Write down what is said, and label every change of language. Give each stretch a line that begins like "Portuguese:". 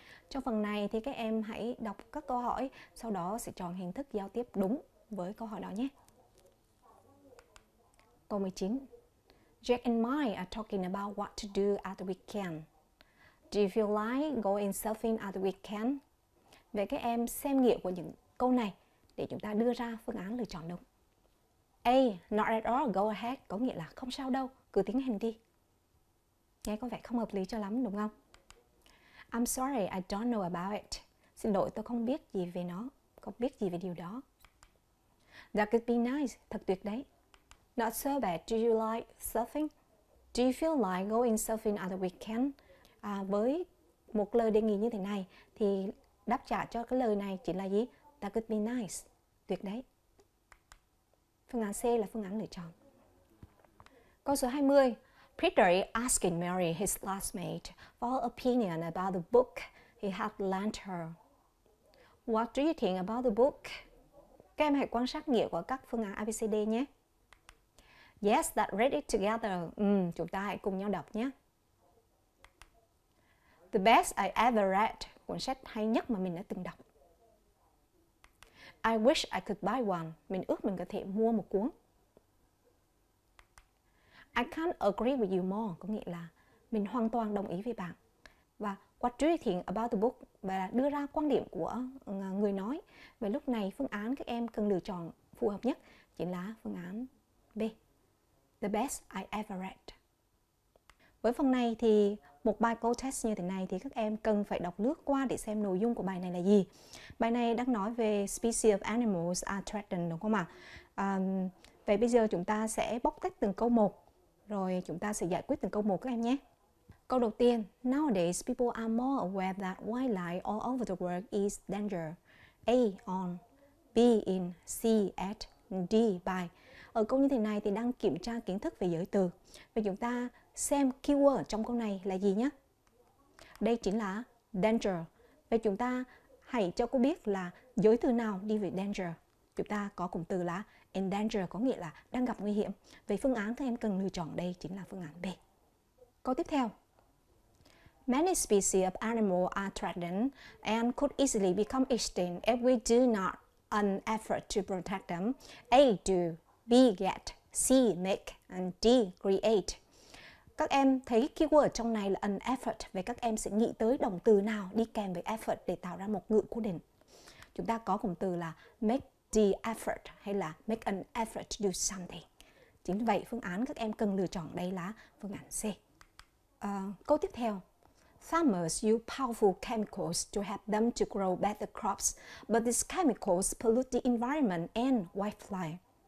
Vietnamese: Trong phần này thì các em hãy đọc các câu hỏi, sau đó sẽ chọn hình thức giao tiếp đúng với câu hỏi đó nhé. Câu 19.
English: Jack and Mike are talking about what to do at the weekend. Do you feel like going surfing at the weekend?
Vietnamese: Vậy các em xem nghĩa của những câu này để chúng ta đưa ra phương án lựa chọn đúng. A.
English: Not at all, go ahead.
Vietnamese: Có nghĩa là không sao đâu, cứ tiến hành đi. Nghe có vẻ không hợp lý cho lắm đúng không?
English: I'm sorry, I don't know about it.
Vietnamese: Xin lỗi, tôi không biết gì về nó, không biết gì về điều đó.
English: That could be nice,
Vietnamese: thật tuyệt đấy.
English: Not so bad, do you like surfing? Do you feel like going surfing at the weekend?
Vietnamese: Với một lời đề nghị như thế này, thì đáp trả cho cái lời này chỉ là gì?
English: That could be nice,
Vietnamese: tuyệt đấy. Phương án C là phương án lựa chọn. Câu số 20.
English: Peter is asking Mary, his classmate, for her opinion about the book he had lent her. What do you think about the book?
Vietnamese: Các em hãy quan sát nghĩa của các phương án ABCD nhé.
English: Yes, that read it together.
Vietnamese: Chúng ta hãy cùng nhau đọc nhé.
English: The best I ever read.
Vietnamese: Cuốn sách hay nhất mà mình đã từng đọc.
English: I wish I could buy one.
Vietnamese: Mình ước mình có thể mua một cuốn.
English: I can't agree with you more.
Vietnamese: Có nghĩa là mình hoàn toàn đồng ý với bạn.
English: Và what do you think about the book?
Vietnamese: Và đưa ra quan điểm của người nói. Và lúc này phương án các em cần lựa chọn phù hợp nhất chính là phương án B.
English: The best I ever read.
Vietnamese: Với phần này thì một bài câu test như thế này thì các em cần phải đọc lướt qua để xem nội dung của bài này là gì. Bài này đang nói về
English: species of animals are threatened,
Vietnamese: đúng không ạ? Vậy bây giờ chúng ta sẽ bóc tách từng câu một, rồi chúng ta sẽ giải quyết từng câu một các em nhé. Câu đầu tiên,
English: nowadays people are more aware that wildlife all over the world is danger. A. On. B. In. C. At. D. By.
Vietnamese: Ở câu như thế này thì đang kiểm tra kiến thức về giới từ. Vậy chúng ta xem keyword trong câu này là gì nhé. Đây chính là danger. Vậy chúng ta hãy cho cô biết là giới từ nào đi với danger. Chúng ta có cụm từ là in danger có nghĩa là đang gặp nguy hiểm. Vậy phương án các em cần lựa chọn đây chính là phương án B. Câu tiếp theo.
English: Many species of animals are threatened and could easily become extinct if we do not an effort to protect them. A. Do. B. Get. C. Make. And D. Create.
Vietnamese: Các em thấy keyword trong này là an effort. Vậy các em sẽ nghĩ tới động từ nào đi kèm với effort để tạo ra một ngữ cố định. Chúng ta có cụm từ là
English: make the effort hay là make an effort to do something.
Vietnamese: Chính vậy phương án các em cần lựa chọn đây là phương án C. Câu tiếp theo.
English: Farmers use powerful chemicals to help them to grow better crops, but these chemicals pollute the environment and wildlife.